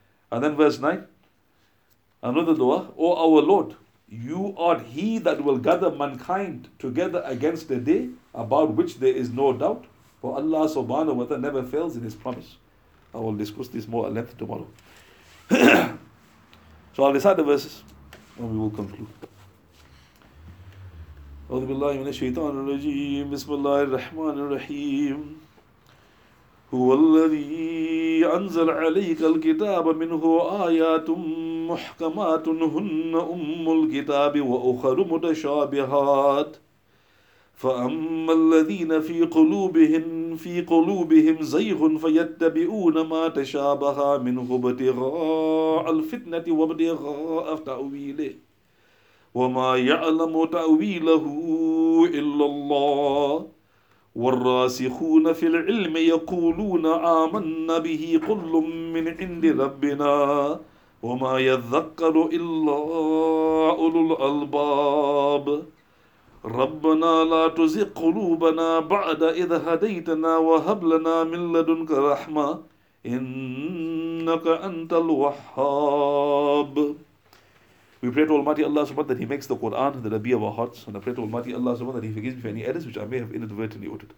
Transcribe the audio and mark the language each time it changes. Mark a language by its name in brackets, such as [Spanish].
[English] And then verse 9, another dua, O our Lord, you are He that will gather mankind together against a day about which there is no doubt, for Allah subhanahu wa ta'ala never fails in His promise. I will discuss this more at length tomorrow. So I'll recite the verses and we will conclude. [Arabic] أعوذ بالله من الشيطان الرجيم بسم الله الرحمن الرحيم هو الذي أنزل عليك الكتاب منه آيات محكمات هن أم الكتاب وأخر متشابهات فأما الذين في قلوبهن في قلوبهم زيغ فيتبعون ما تشابه منه ابتغاء الفتنة وابتغاء تأويله وما يعلم تأويله إلا الله والراسخون في العلم يقولون آمنا به كل من عند ربنا وما يذكر إلا أولو الألباب ربنا لا تزغ قلوبنا بعد إذ هديتنا وهب لنا من لدنك رحمة إنك أنت الوهاب. [English] We pray to Almighty Allah subhanahu that He makes the Quran the Rabi of our hearts. And I pray to Almighty Allah subhanahu that He forgives me for any errors which I may have inadvertently uttered.